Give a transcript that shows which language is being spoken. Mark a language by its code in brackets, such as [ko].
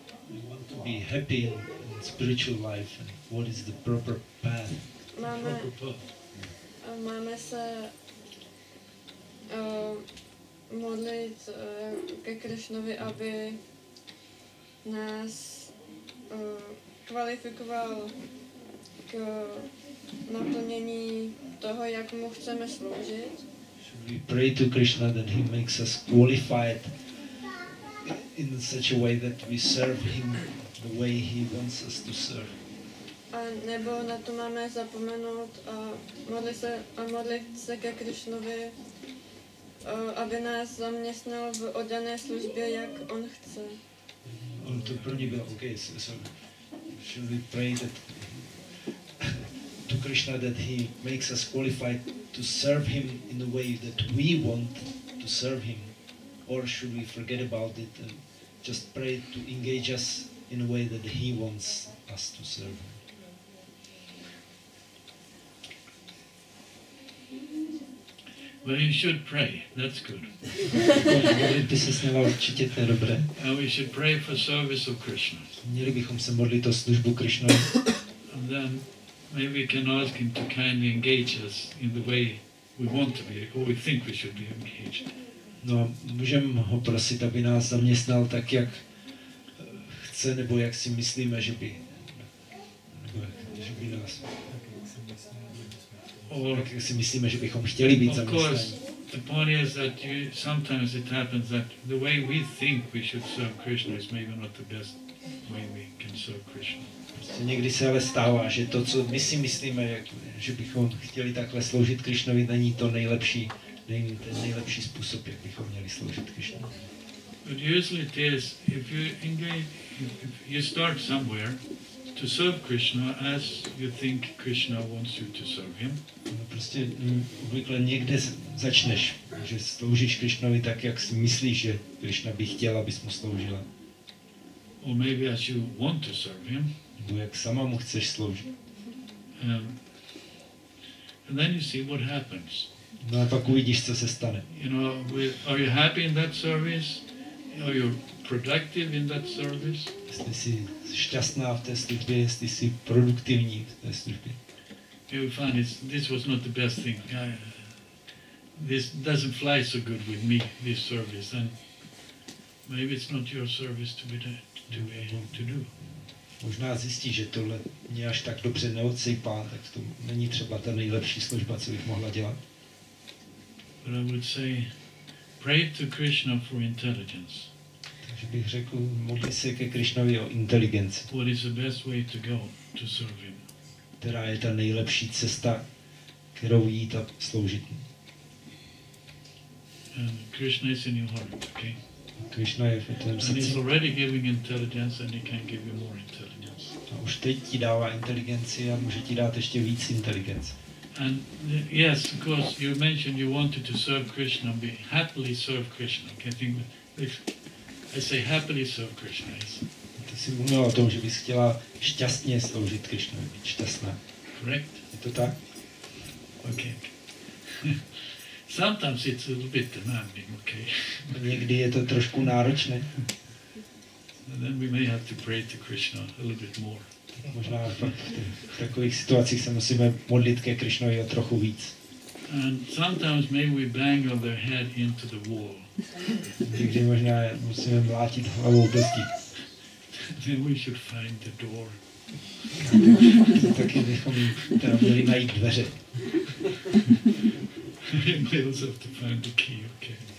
[en] You want to be happy in spiritual life, and what is the proper path? [cs] Máme, [en] the proper path. [cs] Máme se modlit ke Krishnovi, aby nás kvalifikoval k naplnění toho, jak mu chceme sloužit. [en] Should we pray to Krishna that he makes us qualified in such a way that we serve him the way he wants us to serve? [cs] A nebo na to máme zapomenout a modlit se ke Krishnovi aby nás zaměstnal v oddané službě, jak on chce. On to první byl, [en] ok, should we pray that to Krishna that he makes us qualified to serve him in the way that we want to serve him, or should we forget about it and just pray to engage us in a way that he wants us to serve him. Well, you should pray. That's good. [cs] By se snělo určitě, to je dobré. [en] And we should pray for service of Krishna. [cs] Měli bychom se modlit o službu Krishna. [en] And then maybe we can ask him to kindly engage us in the way we want to be, or we think we should be engaged. [cs] No, můžeme ho prosit, aby nás zaměstnal tak, jak chce, nebo jak si myslíme, že by, nebo že by nás... Tak si myslíme, že bychom chtěli být zaměstnáni. [en] Of course, the point is that you, sometimes it happens that the way we think we should serve Krishna is maybe not the best way we can serve Krishna. [cs] Prostě někdy se ale stává, že to, co my si myslíme, jak, že bychom chtěli takhle sloužit Krishnovi, není to nejlepší, není ten nejlepší způsob, jak bychom měli sloužit Krishna. [en] But usually it is, if you engage, if you start somewhere, to serve Krishna as you think Krishna wants you to serve him. [cs] No prostě obvykle někde začneš, že sloužíš Krishnovi tak, jak si myslíš, že Krishna by chtěl, abys mu sloužila. [en] Or maybe as you want to serve him. [cs] Nebo jak sama mu chceš sloužit. [en] And then you see what happens. [cs] No a pak uvidíš, co se stane. [en] You know, are you happy in that service? Are you productive in that service? [cs] Jestli jsi šťastná v té službě, jestli jsi produktivní v té službě. [en] You find this was not the best thing. This doesn't fly so good with me, this service. And maybe it's not your service to do. [cs] Možná zjistíš, že tohle mě až tak dobře neodsejpá, tak to není třeba ta nejlepší služba, co bych mohla dělat. [en] But I would say, pray to Krishna for intelligence. [cs] Takže bych řekl, modli se ke Krishnovi o inteligenci. [en] What is the best way to go to serve him? [cs] Která je ta nejlepší cesta, kterou jít a sloužit. [en] And Krishna is in your heart, okay? [cs] Krishna je v tvém srdci. [en] And he's already giving intelligence and he can give you more intelligence. [cs] A už teď ti dává inteligenci a může ti dát ještě víc inteligence. [en] And yes, of course, you mentioned you wanted to serve Krishna, be happily serve Krishna. Okay, I think if I say happily serve Krishna, yes. [cs] Ty jsi mluvila o tom, že bys chtěla šťastně sloužit Krishna, být šťastná. [en] Correct. [cs] Je to tak? [en] Okay. Sometimes it's a little bit demanding, okay. [cs] Někdy je to trošku náročné. [en] And then we may have to pray to Krishna a little bit more. [cs] Možná v takových situacích se musíme modlit ke Krishnovi o trochu víc. [en] And sometimes maybe we bang on their head into the wall. [cs] Někdy možná musíme mlátit hlavou do zdi. [en] Then we should find the door. [cs] Taky bychom teda měli najít dveře. [en] We also have to find the key, okay.